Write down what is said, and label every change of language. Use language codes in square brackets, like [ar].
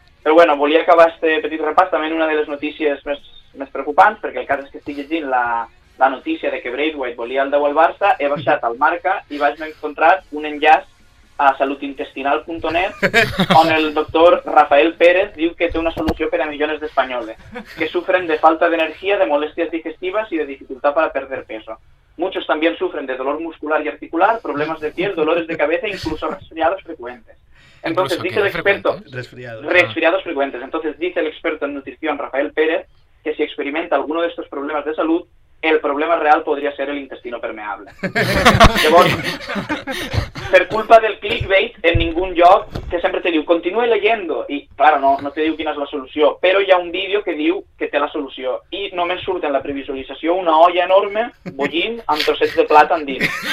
[ca] Però, bueno, volia acabar este petit repàs també en una de les notícies més preocupants, perquè el cas és que estic llegint la notícia de que Braithwaite volia el 10 al Barça, he baixat al Marca i vaig encontrar un enllaç a salutintestinal.net on el doctor Rafael Pérez diu que té una solució per a milions d'espanyols que sufren de falta d'energia, de molèsties digestives i de dificultat per a perdre peso. [es] Muchos también sufren de dolor muscular y articular, problemas de piel, dolores de cabeza e incluso resfriados frecuentes. Entonces, dice el experto, resfriados frecuentes. Entonces dice el experto en nutrición Rafael Pérez que si experimenta alguno de estos problemas de salud, el problema real podria ser l'intestino permeable. [ca] Llavors, per culpa del clickbait, en ningun lloc, que sempre te diu, [es] continue leyendo, [ca] i, claro, no te diu quina és la solució, però hi ha un vídeo que diu que té la solució, i només surt en la previsualització una olla enorme bullint amb trossets de plat en dins.